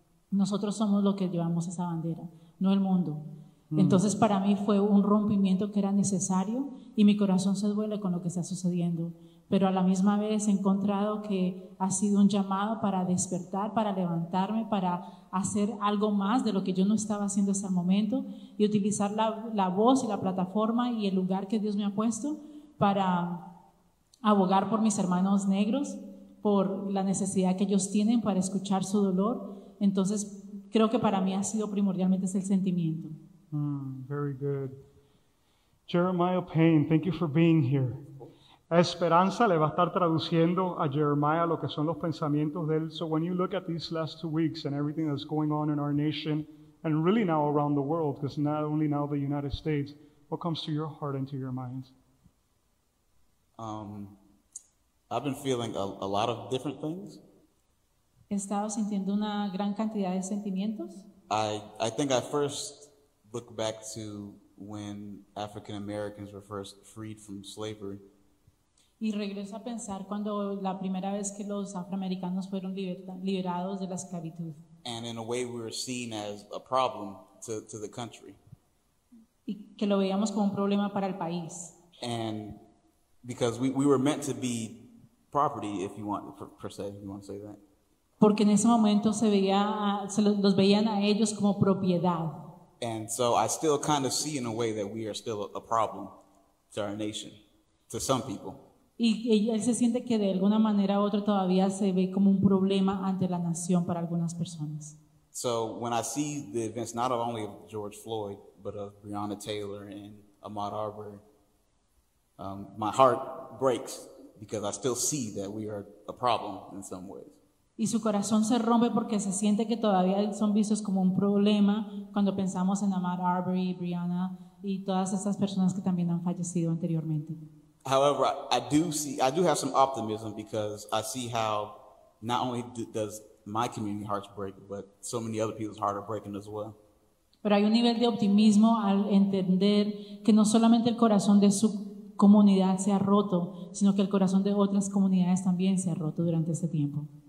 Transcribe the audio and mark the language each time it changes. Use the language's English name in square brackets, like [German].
[Spanish] Nosotros somos los que llevamos esa bandera, no el mundo. Entonces para mí fue un rompimiento que era necesario y mi corazón se duele con lo que está sucediendo, pero a la misma vez he encontrado que ha sido un llamado para despertar, para levantarme, para hacer algo más de lo que yo no estaba haciendo hasta el momento y utilizar la voz y la plataforma y el lugar que Dios me ha puesto para abogar por mis hermanos negros, por la necesidad que ellos tienen para escuchar su dolor. Entonces creo que para mí ha sido primordialmente ese sentimiento. [English] Very good. Jeremiah Payne, thank you for being here. [Spanish] Esperanza le va a estar traduciendo a Jeremiah lo que son los pensamientos de él. [English] So when you look at these last 2 weeks and everything that's going on in our nation and really now around the world, because not only now the United States, what comes to your heart and to your mind? I've been feeling a lot of different things. [Spanish] He estado sintiendo una gran cantidad de sentimientos. [English] I think I first look back to when African Americans were first freed from slavery. [Spanish] Y regreso a pensar cuando la primera vez que los afroamericanos fueron liberados de la esclavitud. [English] And in a way we were seen as a problem to the country. [Spanish] Y que lo veíamos como un problema para el país. [English] And because we were meant to be property, if you want, per se, if you want to say that. [Spanish] Porque en ese momento los veían a ellos como propiedad. [English] And so I still kind of see in a way that we are still a problem to our nation, to some people. [Spanish] Y él se siente que de alguna manera u otra todavía se ve como un problema ante la nación para algunas personas. [English] So when I see the events not only of George Floyd, but of Breonna Taylor and Ahmaud Arbery, my heart breaks because I still see that we are a problem in some ways. [Spanish] Y su corazón se rompe porque se siente que todavía son vistos como un problema cuando pensamos en Ahmaud Arbery, Breonna y todas estas personas que también han fallecido anteriormente. [English] However, I do have some optimism because I see how not only does my community hearts break, but so many other people's hearts are breaking as well. [Spanish] Pero hay un nivel de optimismo al entender que no solamente el corazón de su comunidad se ha roto, sino que el corazón de otras comunidades también se ha roto durante este tiempo.